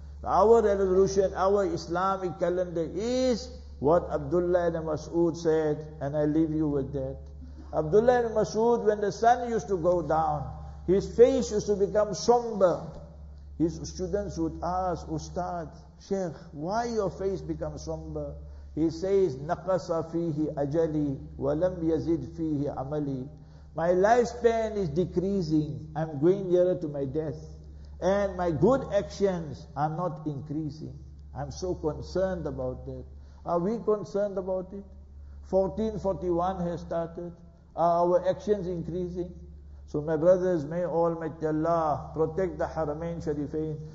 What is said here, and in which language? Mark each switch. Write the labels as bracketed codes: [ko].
[en] Our resolution, our Islamic calendar is what Abdullah and Mas'ud said, and I leave you with that. Abdullah and Mas'ud, when the sun used to go down, his face used to become somber. His students would ask, Ustad, Sheikh, why your face becomes somber? [ar] He says, نَقَصَ فِيهِ أَجَلِي وَلَمْ يَزِدْ فِيهِ عَمَلِي. [en] My lifespan is decreasing. I'm going nearer to my death. And my good actions are not increasing. I'm so concerned about that. Are we concerned about it? 1441 has started. Are our actions increasing? So my brothers, may Almighty Allah protect the Haramain Sharifain.